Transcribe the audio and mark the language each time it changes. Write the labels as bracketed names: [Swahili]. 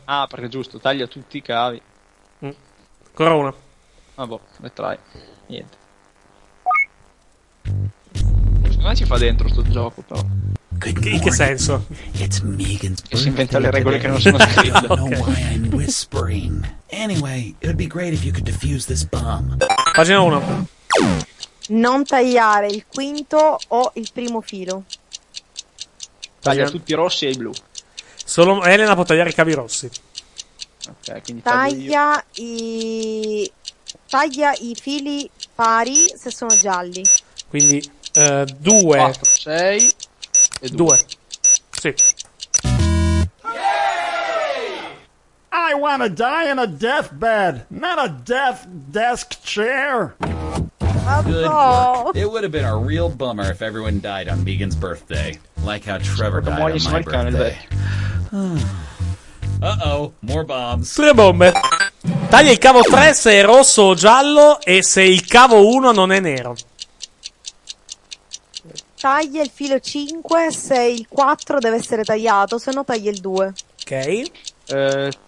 [Italian] Ah, perché giusto, taglia tutti i cavi. Ancora una. Ah, boh, ne trai. Niente. Come ci fa dentro sto gioco, però? In che senso? [English] It's Megan's birthday. [Italian] Si inventa le regole che non sono scritte. [English] Okay. I don't know why I'm whispering. Anyway, it would be great if you could defuse this bomb. [Italian] Pagina 1. Non tagliare il quinto o il primo filo. Taglia tutti i rossi e i blu. Solo Elena può tagliare i cavi rossi. Ok, quindi taglio io. Taglia i fili pari se sono gialli. Quindi 2 4 6 e 2. Sì. [English] Yay! I want to die in a deathbed, not a death desk chair. Good. It would have been a real bummer if everyone died on Megan's birthday, like how Trevor died on my birthday. Uh-oh, more bombs. [Italian] Tre bombe. Taglia il cavo 3 se è rosso o giallo e se il cavo 1 non è nero. Taglia il filo 5 se il 4 deve essere tagliato, se no taglia il 2. Ok.